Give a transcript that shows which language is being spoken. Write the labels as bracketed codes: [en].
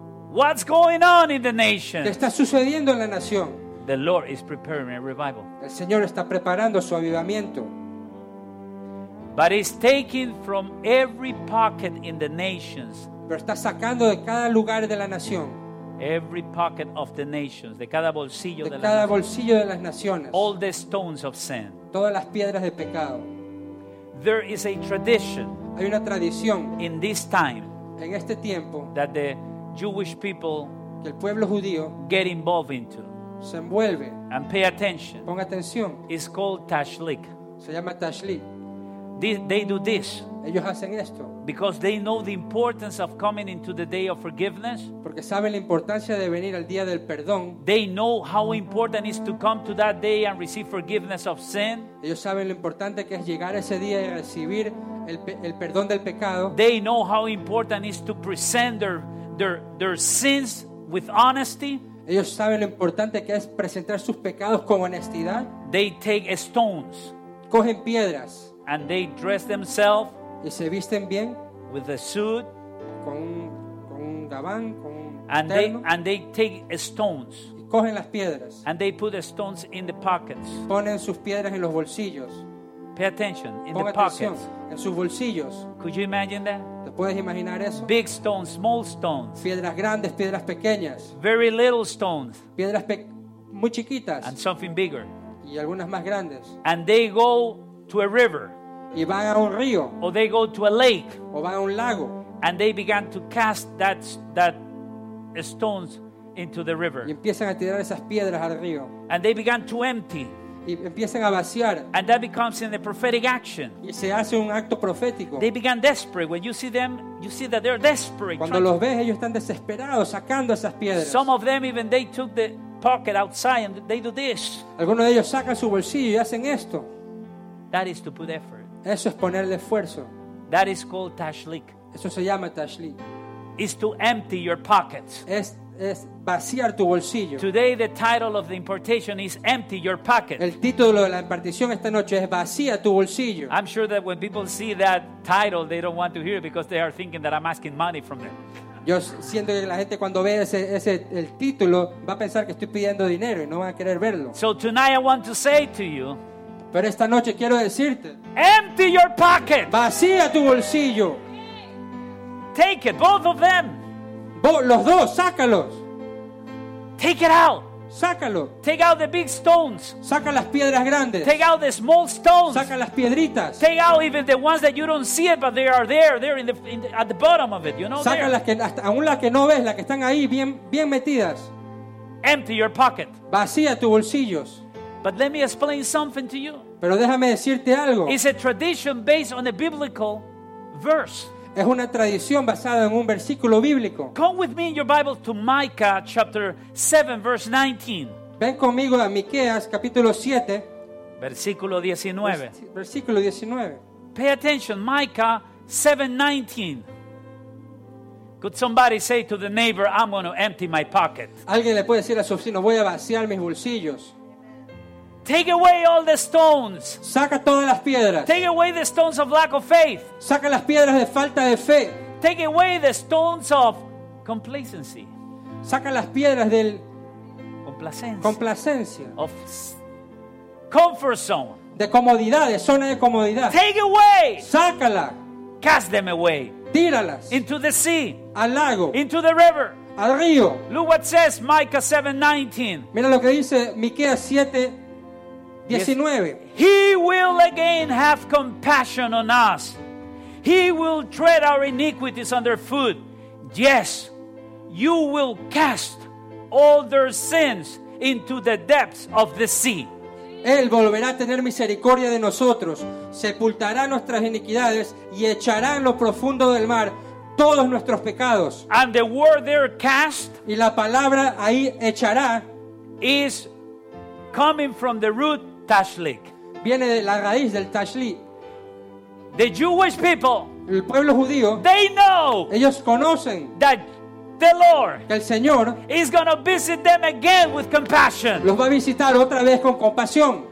[en] What's going on in the nation? [es] ¿Qué está sucediendo en la nación? [en] The Lord is preparing a revival. [es] El Señor está preparando su avivamiento. [en] But it's taking from every pocket in the nations [es] pero está sacando de cada lugar de la nación. [en] Every pocket of the nations, [es] de cada bolsillo de, cada bolsillo de las naciones. [en] All the stones of sin. [es] Todas las piedras de pecado. [en] There is a tradition. [es] Hay una tradición. [en] In this time. [es] En este tiempo. [en] That the Jewish people. [es] Que el pueblo judío. [en] Get involved into. [es] Se envuelve. [en] And pay attention. [es] Pon atención. [en] It's called Tashlik. [es] Se llama Tashlik. [en] They do this. [es] Ellos hacen esto. [en] Because they know the importance of coming into the day of forgiveness. [es] Porque saben la importancia de venir al día del perdón. [en] They know how important it is to come to that day and receive forgiveness of sin. [es] Ellos saben lo importante que es llegar ese día y recibir el perdón del pecado. [en] They know how important it is to present their sins with honesty. [es] Ellos saben lo importante que es presentar sus pecados con honestidad. [en] They take stones. [es] Cogen piedras. [en] And they dress themselves. [es] Y se visten bien, [en] with a suit, [es] con un gabán, con un [en] and [es] terno, [en] they take stones, [es] y cogen las piedras, [en] and they put the stones in the pockets, [es] ponen sus piedras en los bolsillos, [en] pay attention, in [es] Pon [en] the pockets, [es] en sus bolsillos, [en] could you imagine that? [es] ¿Te puedes imaginar eso? [en] Big stones, small stones, [es] piedras grandes, piedras pequeñas, [en] very little stones, [es] piedras muy chiquitas, [en] and something bigger, [es] y algunas más grandes, [en] and they go to a river. [es] Y van a un río. [en] Or they go to a lake. [es] O van a un lago. [en] And they began to cast that stones into the river. [es] Y empiezan a tirar esas piedras al río. [en] And they began to empty. [es] Y empiezan a vaciar. [en] And that becomes in the prophetic action. [es] Y se hace un acto profético. [en] They began desperate. When you see them, you see that they're desperate. [es] Cuando los ves, ellos están desesperados sacando esas piedras. [en] Some of them even they took the pocket outside and they do this. [es] Algunos de ellos sacan su bolsillo y hacen esto. [en] That is to put effort. [es] Eso es ponerle esfuerzo. [en] That is called tashlik. [es] Eso se llama tashlik. [en] Is to empty your pockets. [es] Es vaciar tu bolsillo. [en] Today the title of the impartation is empty your pocket. [es] El título de la impartición esta noche es vacía tu bolsillo. [en] I'm sure that when people see that title they don't want to hear it because they are thinking that I'm asking money from them. [es] Yo siento que la gente cuando ve ese el título va a pensar que estoy pidiendo dinero y no van a querer verlo. [en] So tonight I want to say to you. [es] Pero esta noche quiero decirte. [en] Empty your pocket. [es] Vacía tu bolsillo. [en] Take it, both of them. [es] Los dos, sácalos. [en] Take it out. [es] Sácalo. [en] Take out the big stones. [es] Saca las piedras grandes. [en] Take out the small stones. [es] Saca las piedritas. [en] Take out even the ones that you don't see it, but they are there. They're in the at the bottom of it, you know. [es] Saca Las que hasta aún las que no ves, las que están ahí bien metidas. [en] Empty your pocket. [es] Vacía tus bolsillos. [en] But let me explain something to you. [es] Pero déjame decirte algo. [en] It's a tradition based on a biblical verse. [es] Es una tradición basada en un versículo bíblico. [en] Come with me in your Bible to Micah chapter 7 verse 19. [es] Ven conmigo a Miqueas capítulo 7. Versículo 19. Versículo 19. [en] Pay attention, Micah 7:19. Could somebody say to the neighbor, I'm going to empty my pocket. [es] Alguien le puede decir a su vecino, voy a vaciar mis bolsillos. [en] Take away all the stones. [es] Saca todas las piedras. [en] Take away the stones of lack of faith. [es] Saca las piedras de falta de fe. [en] Take away the stones of complacency. [es] Saca las piedras del complacencia. [en] Of comfort zone. [es] De comodidad, de zona de comodidad. [en] Take away. [es] Sácala. [en] Cast them away. [es] Tíralas. [en] Into the sea. [es] Al lago. [en] Into the river. [es] Al río. [en] Look what says Micah 7:19. [es] Mira lo que dice Miqueas 7:19. [en] He will again have compassion on us. He will tread our iniquities underfoot. Yes, you will cast all their sins into the depths of the sea. [es] Él volverá a tener misericordia de nosotros, sepultará nuestras iniquidades y echará en lo profundo del mar todos nuestros pecados. [en] And the word there cast, [es] y la palabra ahí echará, [en] is coming from the root Tashlik. [es] Viene de la raíz del Tashlik. [en] The Jewish people, [es] el pueblo judío, [en] they know, [es] ellos conocen, [en] that the Lord, [es] que el Señor, [en] is going to visit them again with compassion. [es] Los va a visitar otra vez con compasión.